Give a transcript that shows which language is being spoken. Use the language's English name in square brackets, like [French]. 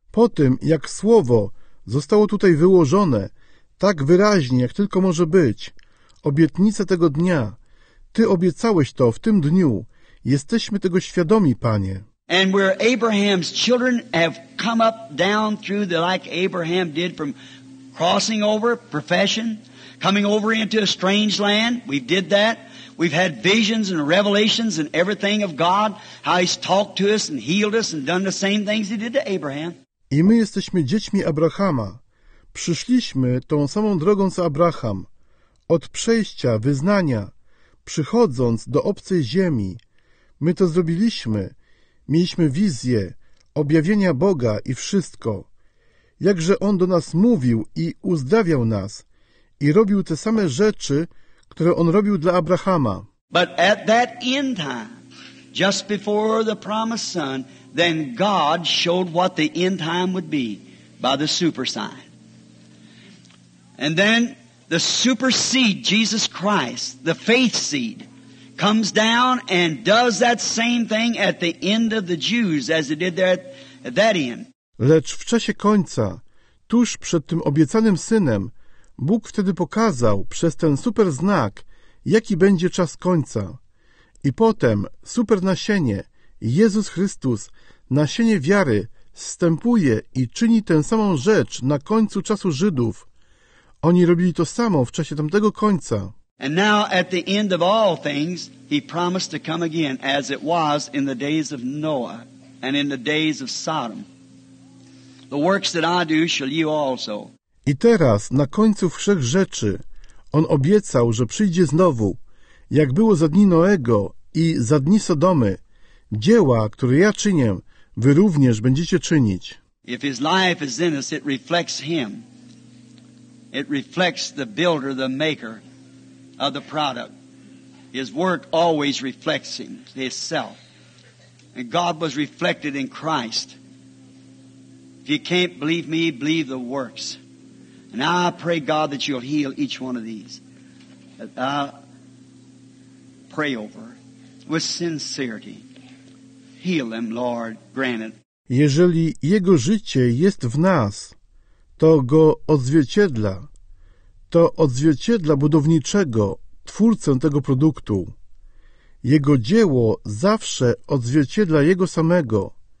[Polish] Po tym, jak słowo zostało tutaj wyłożone, tak wyraźnie, jak tylko może być, obietnica tego dnia, Ty obiecałeś to w tym dniu, jesteśmy tego świadomi, Panie. [English] And where Abraham's children have come up down through the like Abraham did from crossing over profession, coming over into a strange land. We did that. We've had visions and revelations and everything of God, how He's talked to us and healed us and done the same things He did to Abraham. [Polish] I my jesteśmy dziećmi Abrahama. Przyszliśmy tą samą drogą co Abraham. Od przejścia, wyznania, przychodząc do obcej ziemi. My to zrobiliśmy. Mieliśmy wizję, objawienia Boga i wszystko. Jakże On do nas mówił i uzdrawiał nas i robił te same rzeczy, które On robił dla Abrahama. [English] But at that end time, just before the promised son, then God showed what the end time would be by the super sign. And then the super seed, Jesus Christ, the faith seed, comes down and does that same thing at the end of the Jews as it did there at that end. [Polish] Lecz w czasie końca, tuż przed tym obiecanym synem, Bóg wtedy pokazał przez ten super znak, jaki będzie czas końca. I potem super nasienie, Jezus Chrystus, nasienie wiary, zstępuje i czyni tę samą rzecz na końcu czasu Żydów. Oni robili to samo w czasie tamtego końca. [English] And now at the end of all things, he promised to come again as it was in the days of Noah and in the days of Sodom. The works that I do shall you also. [Polish] I teraz, na końcu wszech rzeczy, on obiecał, że przyjdzie znowu, jak było za dni Noego i za dni Sodomy. Dzieła, które ja czynię, wy również będziecie czynić. [English] If his life is in us, it reflects him. It reflects the builder, the maker. Of the product. His work always reflects himself. And God was reflected in Christ. If you can't believe me, believe the works. And now I pray, God, that you'll heal each one of these. Pray over with sincerity. Heal them, Lord, grant it. [Polish] Jeżeli Jego życie jest w nas, to Go odzwierciedla. To odzwierciedla budowniczego, twórcę tego produktu. Jego dzieło zawsze odzwierciedla Jego samego.